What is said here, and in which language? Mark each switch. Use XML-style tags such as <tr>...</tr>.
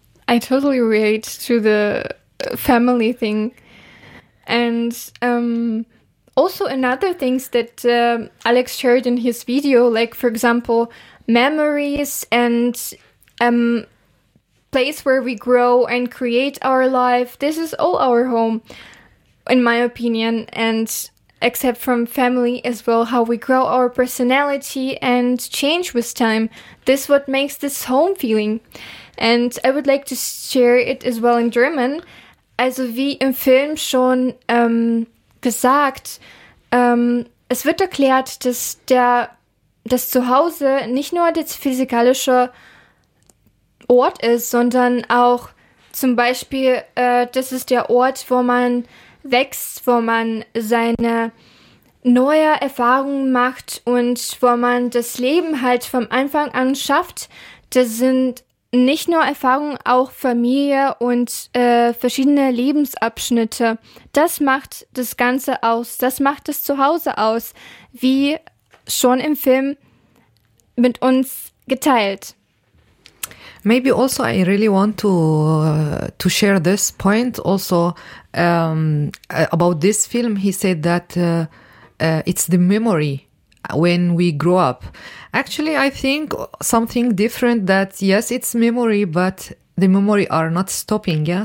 <en>I totally relate to the family thing, and also another things that Alex shared in his video, like for example memories and place where we grow and create our life. This is all our home, in my opinion, and except from family as well, how we grow our personality and change with time. This is what makes this home feeling. And I would like to share it as well in German.</en> <de>Also wie im Film schon gesagt, es wird erklärt, dass das Zuhause nicht nur der physikalische Ort ist, sondern auch zum Beispiel, das ist der Ort, wo man wächst, wo man seine neue Erfahrungen macht und wo man das Leben halt vom Anfang an schafft. Das sind nicht nur Erfahrung, auch Familie und verschiedene Lebensabschnitte. Das macht das Ganze aus. Das macht das Zuhause aus, wie schon im Film mit uns geteilt.</de> <en>Maybe also I really want to share this point also about this film. He said that it's the memory when we grow up. Actually, I think something different that, yes, it's memory, but the memory are not stopping, yeah?</en>